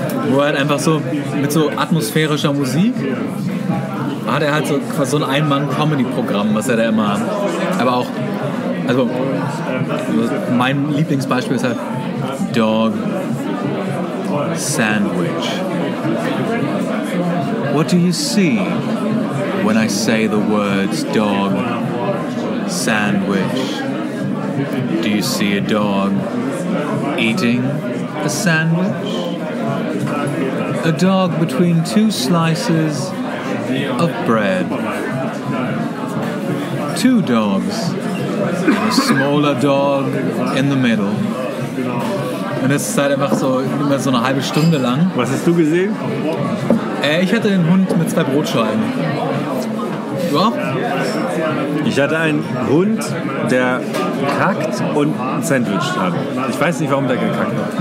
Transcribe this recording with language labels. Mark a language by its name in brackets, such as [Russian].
[German] Wo er halt einfach so mit so atmosphärischer Musik hat er halt so quasi so ein Ein-Mann-Comedy-Programm, was er da immer hat. Aber auch, also mein Lieblingsbeispiel ist halt Dog Sandwich. [English] What do you see when I say the words dog sandwich? Do you see a dog eating a sandwich? A dog between two slices of bread. Two dogs, a smaller dog in the middle. [German] Und es ist halt einfach so immer so eine halbe Stunde lang. Was hast du gesehen? Ich hatte einen Hund mit 2 Brotscheiben. Du auch? Ich hatte einen Hund, der kackt und ein Sandwich hat. Ich weiß nicht, warum der gekackt hat.